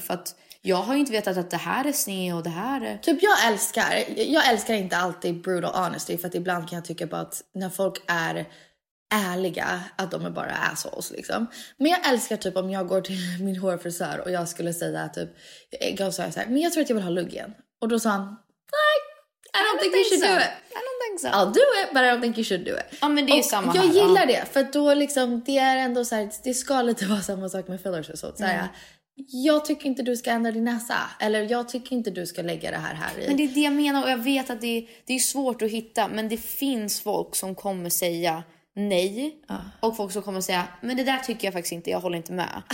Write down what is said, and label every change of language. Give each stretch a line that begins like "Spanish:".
Swedish: För att jag har ju inte vetat att det här är sne och det här är... Typ jag älskar inte alltid
English: brutal honesty.
Swedish: För att ibland kan jag tycka på att när folk är ärliga, att de är bara assholes liksom. Men jag älskar typ om jag går till min hårfrisör och jag skulle säga typ... Jag sa såhär, men jag tror att jag vill ha lugg igen. Och då sa han, nej,
English: I don't think you should do it. I'll do it, but I don't think you should do it.
Swedish: Ja, men det är samma. Jag gillar det, för då liksom, det är ändå så här, det ska lite vara samma sak med fillers och sånt. Så här, jag tycker inte du ska ändra din näsa, eller jag tycker inte du ska lägga det här i. Men det är det jag menar, och jag vet att det är svårt att hitta, men det finns folk som kommer säga nej, och folk som kommer säga, men det där tycker jag faktiskt inte, jag håller inte med.